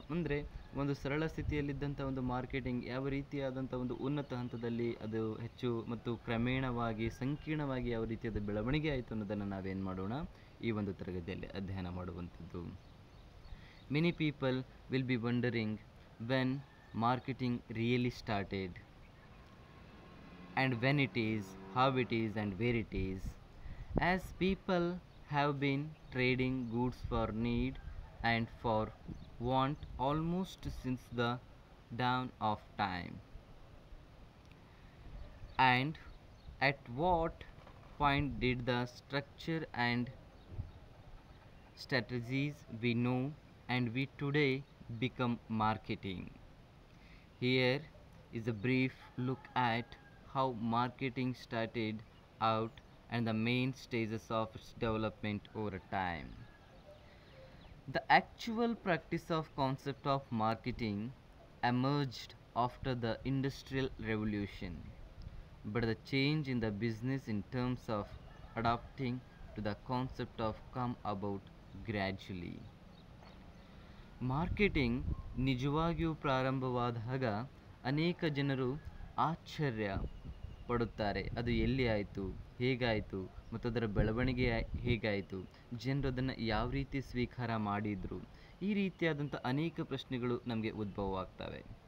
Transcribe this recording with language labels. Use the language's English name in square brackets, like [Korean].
[Kannada] ಅಂದರೆ ಒಂದು ಸರಳ ಸ್ಥಿತಿಯಲ್ಲಿದ್ದಂಥ ಒಂದು ಮಾರ್ಕೆಟಿಂಗ್ ಯಾವ ರೀತಿಯಾದಂಥ ಒಂದು ಉನ್ನತ ಹಂತದಲ್ಲಿ ಅದು ಹೆಚ್ಚು ಮತ್ತು ಕ್ರಮೇಣವಾಗಿ ಸಂಕೀರ್ಣವಾಗಿ ಯಾವ ರೀತಿಯಾದ ಬೆಳವಣಿಗೆ ಆಯಿತು ಅನ್ನೋದನ್ನು ನಾವೇನು ಮಾಡೋಣ, ಈ ಒಂದು ತರಗತಿಯಲ್ಲಿ ಅಧ್ಯಯನ ಮಾಡುವಂಥದ್ದು. [English] Many people will be wondering when marketing really started and when it is, how it is and where it is. As people have been trading goods for need and for want almost since the dawn of time, and at what point did the structure and strategies we know and we today become marketing. Here is a brief look at how marketing started out and the main stages of its development over time. The actual practice of concept of marketing emerged after the Industrial Revolution, but the change in the business in terms of adapting to the concept of come about gradually. [Kannada] Marketing ನಿಜವಾಗಿಯೂ ಪ್ರಾರಂಭವಾದಾಗ ಅನೇಕ ಜನರು ಆಶ್ಚರ್ಯ ಪಡುತ್ತಾರೆ, ಅದು ಎಲ್ಲಿ ಆಯಿತು, ಹೇಗಾಯಿತು ಮತ್ತು ಅದರ ಬೆಳವಣಿಗೆ ಹೇಗಾಯಿತು, ಜನರು ಅದನ್ನು ಯಾವ ರೀತಿ ಸ್ವೀಕಾರ ಮಾಡಿದರು, ಈ ರೀತಿಯಾದಂಥ ಅನೇಕ ಪ್ರಶ್ನೆಗಳು ನಮಗೆ ಉದ್ಭವ ಆಗ್ತವೆ.